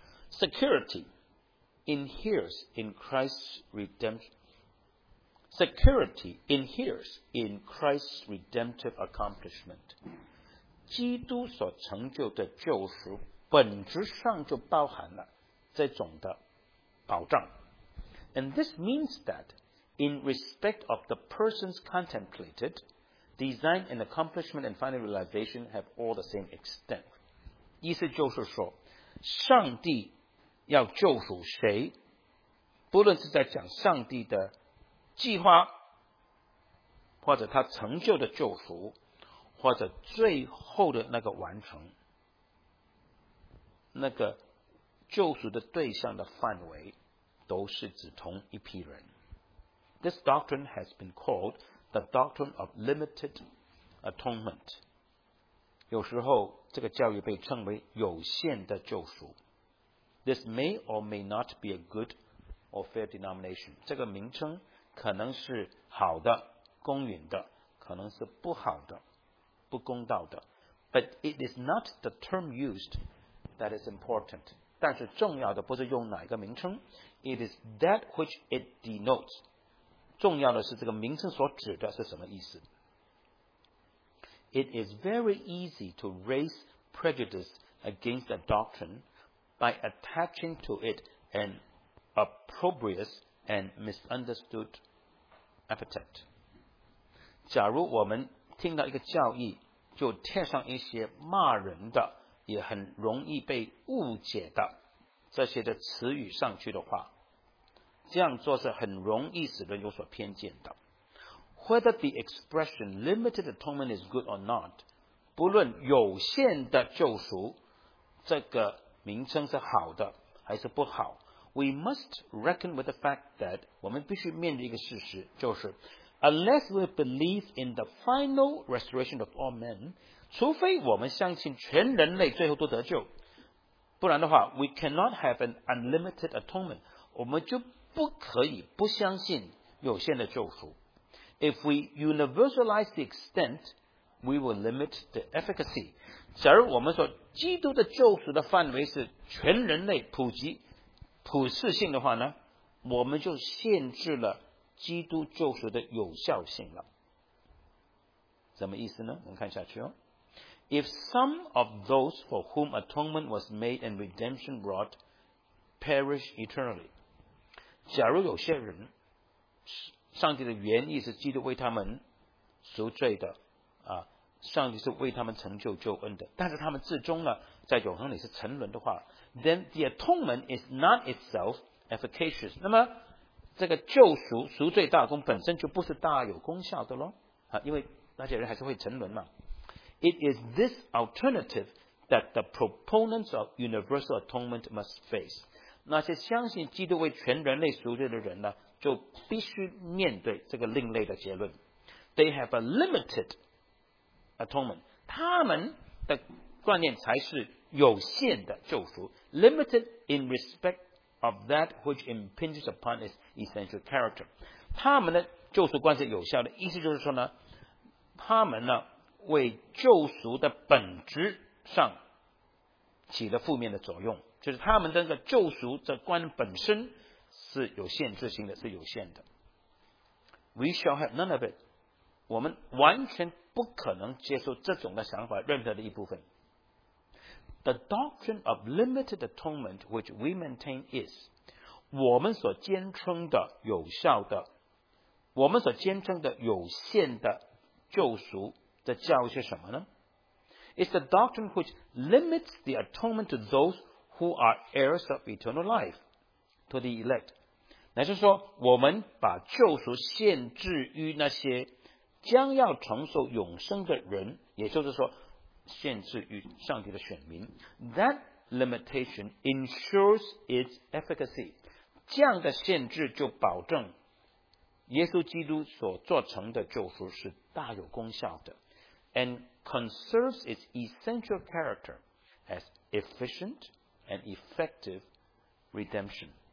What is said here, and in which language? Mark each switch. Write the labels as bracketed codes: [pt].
[en] Security inheres in Christ's redemption. Security inheres in Christ's redemptive accomplishment. [zh] 基督所成就的救赎本质上就包含了这种的保障。 [en] And this means that in respect of the persons contemplated, design and accomplishment and final realization have all the same extent. [zh] 意思就是说上帝要救赎谁，不论是在讲上帝的计划或者他成就的救赎或者最后的那个完成，那个救赎的对象的范围都是指同一批人。 [en] This doctrine has been called the doctrine of limited atonement. [zh] 有时候这个教育被称为有限的救赎。 [en] This may or may not be a good or fair denomination. [zh] 这个名称可能是好的公允的，可能是不好的不公道的。 [en] But it is not the term usedThat is important. [zh] 但是重要的不是用哪一个名称， [en] It is that which it denotes. [zh] 重要的是这个名称所指的是什么意思。 [en] It is very easy to raise prejudice against a doctrine by attaching to it an opprobrious and misunderstood epithet. [zh] 假如我们听到一个教义，就贴上一些骂人的也很容易被误解的这些的词语上去的话，这样做是很容易使人有所偏见的。 [en] Whether the expression limited atonement is good or not, [zh] 不论有限的救赎这个名称是好的还是不好。 [en] We must reckon with the fact that [zh] 我们必须面对一个事实，就是 [en] Unless we believe in the final restoration of all men, [zh] 除非我们相信全人类最后都得救，不然的话 [en] We cannot have an unlimited atonement. [zh] 我们就不可以不相信有限的救赎。 [en] If we universalize the extent, we will limit the efficacy. [zh] 假如我们说基督的救赎的范围是全人类普及、普世性的话呢，我们就限制了基督救赎的有效性了。什么意思呢？我们看下去哦。 [en] If some of those for whom atonement was made and redemption brought perish eternally, [zh] 假如有些人上帝的原意是基督为他们赎罪的啊，上帝是为他们成就救恩的，但是他们最终呢在永恒里是沉沦的话， [en] then the atonement is not itself efficacious. [zh] 那么这个救赎赎罪大功本身就不是大有功效的咯啊，因为那些人还是会沉沦嘛。 [en] It is this alternative that the proponents of universal atonement must face. [zh] 那些相信基督为全人类赎罪的人呢就必须面对这个另类的结论。 [en] They have a limited atonement. [zh] 他们的观念才是有限的救赎， [en] limited in respect of that which impinges upon its essential character. [zh] 他们的救赎观是有效的，意思就是说呢，他们呢为救赎的本质上起了负面的作用，就是他们的这个救赎的观念本身是有限制性的，是有限的。 [en] We shall have none of it. [zh] 我们完全不可能接受这种的想法任何的一部分。 [en] The doctrine of limited atonement which we maintain is [zh] 我们所坚称的有效的，我们所坚称的有限的救赎的教义是什么呢？ [en] It's the doctrine which limits the atonement to those who are heirs of eternal life to the elect. [zh] 乃是说我们把救赎限制于那些将要承受永生的人，也就是说限制于上帝的选民。 [en] That limitation ensures its efficacy. [zh] 这样的限制就保证耶稣基督所做成的救赎是大有功效的， [en] and conserves its essential character as efficient and effective redemption.